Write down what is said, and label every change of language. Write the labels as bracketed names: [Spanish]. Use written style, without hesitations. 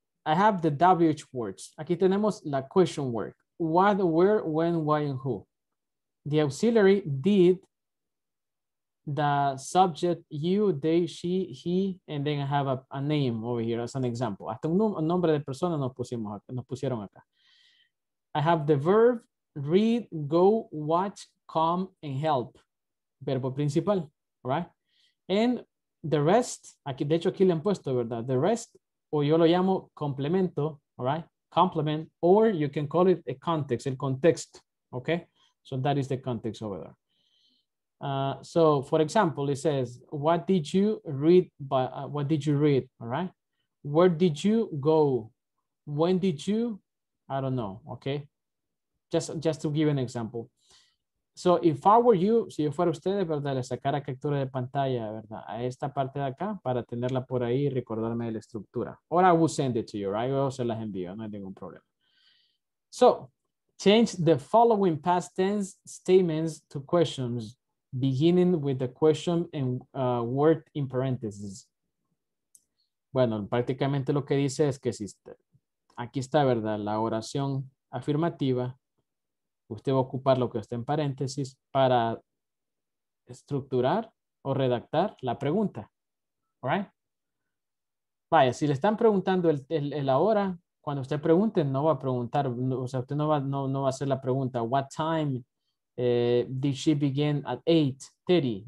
[English] I have the WH words. [Spanish] Aquí tenemos la [English] question word. What, where, when, why, and who. The auxiliary did the subject you, they, she, he, and then I have a name over here as an example. [Spanish] Hasta un nombre de persona nos pusieron acá. [English] I have the verb read, go, watch, come, and help. [Spanish] Verbo principal, right? [English] And the rest, [Spanish] aquí, de hecho aquí le han puesto, ¿verdad? [English] The rest, [Spanish] o yo lo llamo complemento, [English] all right? Complement, or you can call it a context, [Spanish] el contexto, [English] okay? So that is the context over there. So for example, it says, what did you read, what did you read, all right? Where did you go? When did you, I don't know, okay? Just to give an example. So if I were you, [Spanish] si yo fuera ustedes, [English] ¿verdad? [Spanish] Le sacara captura de pantalla, ¿verdad? A esta parte de acá para tenerla por ahí y recordarme de la estructura. [English] Or I will send it to you, right? [Spanish] O se las envío, no hay ningún problema. [English] So, change the following past tense statements to questions beginning with the question and word in parentheses. [Spanish] Bueno, prácticamente lo que dice es que si aquí está, ¿verdad? La oración afirmativa. Usted va a ocupar lo que está en paréntesis para estructurar o redactar la pregunta. All right? Vaya, si le están preguntando el ahora, cuando usted pregunte, no va a preguntar, no, o sea, usted no va a hacer la pregunta, [English] what time did she begin at 8:30?